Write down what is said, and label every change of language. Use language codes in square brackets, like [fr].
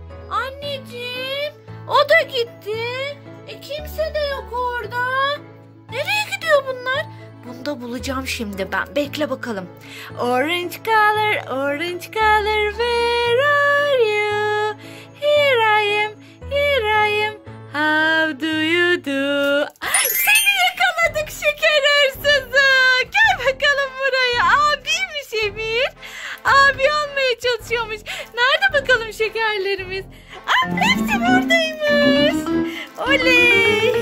[tr] Anneciğim, o da gitti. Kimse de yok orada. Nereye gidiyor bunlar? da bulacağım şimdi ben. Bekle bakalım. [en] Orange color, orange color, where are you? Here I am, here I am. How do you do? [tr] Seni yakaladık şeker hırsızı. Gel bakalım buraya. Abiymiş Emir. Abi olmaya çalışıyormuş. Nerede bakalım şekerlerimiz? Hepsi buradaymış. Oley.